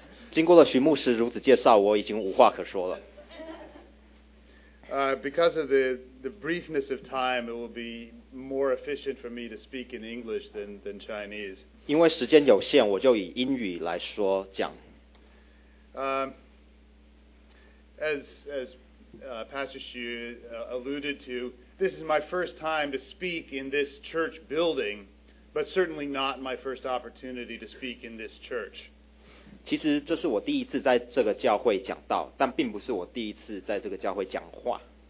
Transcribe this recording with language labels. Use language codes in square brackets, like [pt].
[zh] 经过了许牧师如此介绍，我已经无话可说了。 [en] Because of the briefness of time, it will be more efficient for me to speak in English than Chinese. [zh] 因为时间有限，我就以英语来说讲。 [en] As Pastor Xu alluded to, this is my first time to speak in this church building, but certainly not my first opportunity to speak in this church. [zh] 其实这是我第一次在这个教会讲道，但并不是我第一次在这个教会讲话。